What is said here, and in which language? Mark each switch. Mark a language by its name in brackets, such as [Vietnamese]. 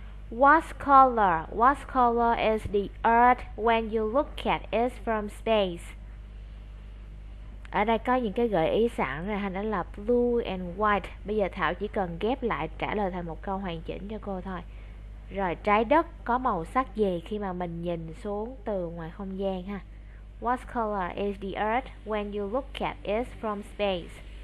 [English] What color is the earth when you look at it from space? [Vietnamese] Ở đây có những cái gợi ý sẵn rồi, hình đó là [English] blue and white. [Vietnamese] Bây giờ Thảo chỉ cần ghép lại trả lời thành một câu hoàn chỉnh cho cô thôi. Rồi, trái đất có màu sắc gì khi mà mình nhìn xuống từ ngoài không gian ha? [English] What color is the earth when you look at it from space?